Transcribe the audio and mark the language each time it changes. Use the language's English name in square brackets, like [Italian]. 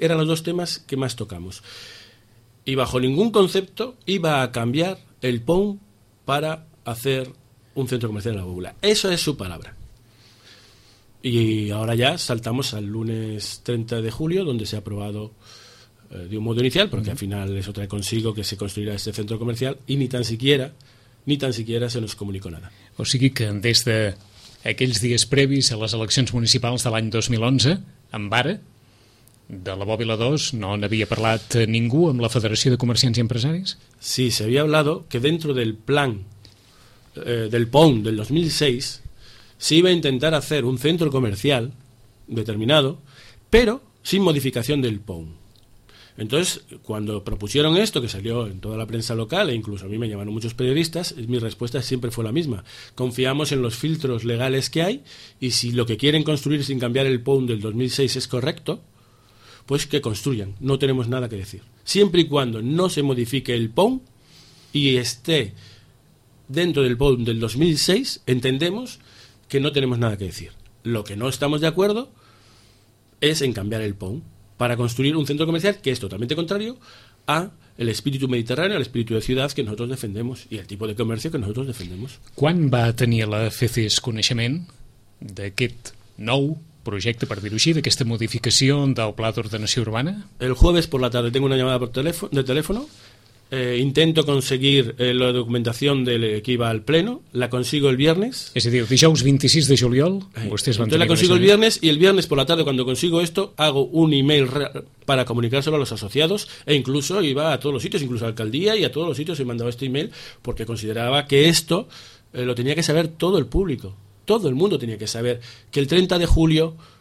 [Spanish] Eran los 2 temas que más tocamos. Y bajo ningún concepto iba a cambiar el PON para hacer un centro comercial en la Bóvila. Eso es su palabra. Y ahora ya saltamos al lunes 30 de julio, donde se ha aprobado de un modo inicial, porque al final eso trae consigo que se construirá este centro comercial, y ni tan siquiera se nos comunicó nada. [Catalan] O sigui que des d'aquells dies previs a les eleccions municipals de l'any 2011, en vara, de la Bòbila 2 no n'havia parlat ningú amb la Federació de Comerciants i Empresaris? [Spanish] Sí, se había hablado que dentro del plan del PON del 2006 se iba a intentar hacer un centro comercial determinado, pero sin modificación del PON. Entonces, cuando propusieron esto, que salió en toda la prensa local e incluso a mí me llamaron muchos periodistas, mi respuesta siempre fue la misma: confiamos en los filtros legales que hay, y si lo que quieren construir sin cambiar el PON del 2006 es correcto, pues que construyan, no tenemos nada que decir, siempre y cuando no se modifique el PON y esté dentro del PON del 2006, entendemos que no tenemos nada que decir. Lo que no estamos de acuerdo es en cambiar el PON para construir un centro comercial, que es totalmente contrario a el espíritu mediterráneo, al espíritu de ciudad que nosotros defendemos y el tipo de comercio que nosotros defendemos. [Catalan] ¿Quan va tenir la FECES coneixement d'aquest nou projecte, per dir-ho així, d'aquesta modificació del pla d'ordenació urbana? [Spanish] El jueves por la tarde tengo una llamada por teléfono, intento conseguir la documentación del que iba al pleno, la consigo el viernes. Es decir, [Catalan] dijous 26 de juliol, vostès van tenir [Spanish] la consigo el viernes, y el viernes por la tarde, cuando consigo esto, hago un email para comunicárselo a los asociados, e incluso iba a todos los sitios, incluso a la alcaldía, y a todos los sitios he mandado este email, porque consideraba que esto lo tenía que saber todo el público, todo el mundo tenía que saber que el 30 de julio